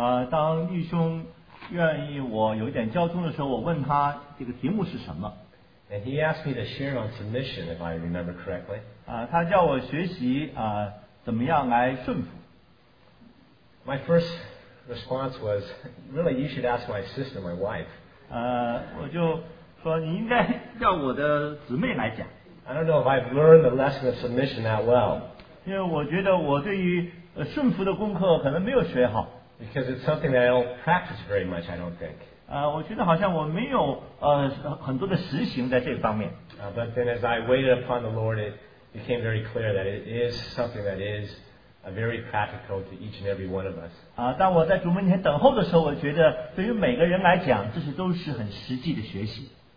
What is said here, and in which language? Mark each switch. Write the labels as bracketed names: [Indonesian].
[Chinese] 当弟兄愿意我有一点交通的时候，我问他这个题目是什么。 [English] And he asked me to share on submission, if I remember correctly. [Chinese] 他叫我学习怎么样来顺服。 [English] My first response was, really, you should ask my sister, my wife. [Chinese] 我就说你应该叫我的姊妹来讲。 [English] I don't know if I've learned the lesson of submission that well. [Chinese] 因为我觉得我对于顺服的功课可能没有学好。 [English] Because it's something that I don't practice very much, I don't think. [Chinese] 我觉得好像我没有很多的实行在这方面。 [English] But then as I waited upon the Lord, it became very clear that it is something that is very practical to each and every one of us. [Chinese] 当我在主面前等候的时候，我觉得对于每个人来讲，这些都是很实际的学习。